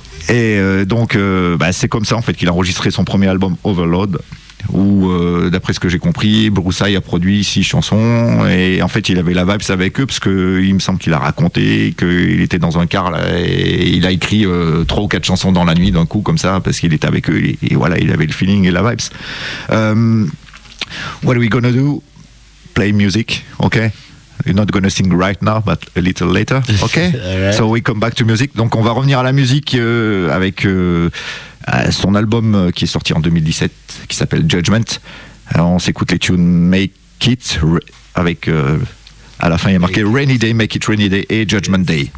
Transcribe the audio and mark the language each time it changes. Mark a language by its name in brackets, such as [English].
[French] Et c'est comme ça en fait qu'il a enregistré son premier album Overload, où d'après ce que j'ai compris, Broussaille a produit 6 chansons, et en fait il avait la vibes avec eux, parce qu'il me semble qu'il a raconté qu'il était dans un car là, et il a écrit 3 ou 4 chansons dans la nuit d'un coup comme ça, parce qu'il était avec eux, et voilà, il avait le feeling et la vibes. [English] What are we gonna do? Play music, ok? You're not gonna sing right now, but a little later, ok? Right. So we come back to music. [French] Donc on va revenir à la musique avec... son album qui est sorti en 2017 qui s'appelle Judgment. Alors on s'écoute les tunes Make It avec à la fin il y a marqué Rainy Day, Make It Rainy Day et Judgment Day.